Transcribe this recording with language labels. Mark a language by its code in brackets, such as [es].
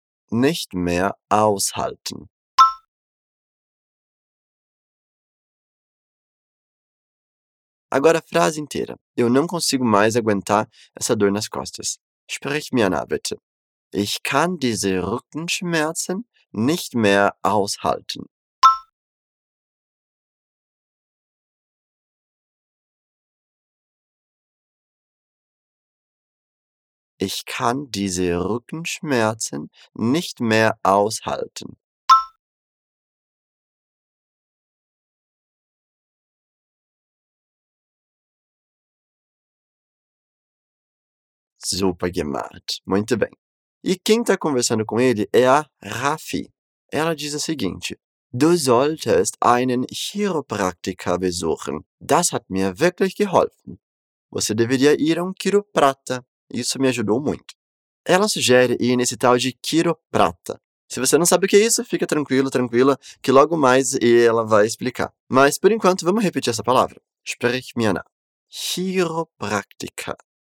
[de] Nicht mehr aushalten. [pt] Agora a frase inteira. Eu não consigo mais aguentar essa dor nas costas. [de] Sprich mir nach, bitte. Ich kann diese Rückenschmerzen nicht mehr aushalten. Ich kann diese Rückenschmerzen nicht mehr aushalten. Super gemacht. Muito bem. [pt] E quem está conversando com ele é a Rafi. Ela diz o seguinte. [de] Du solltest einen Chiropraktiker besuchen. Das hat mir wirklich geholfen. [pt] Você deveria ir a um quiroprata. Isso me ajudou muito. Ela sugere ir nesse tal de quiroprata. Se você não sabe o que é isso, fica tranquilo, tranquila, que logo mais ela vai explicar. Mas, por enquanto, vamos repetir essa palavra. [de] Sprich mir nach. Chiropraktiker.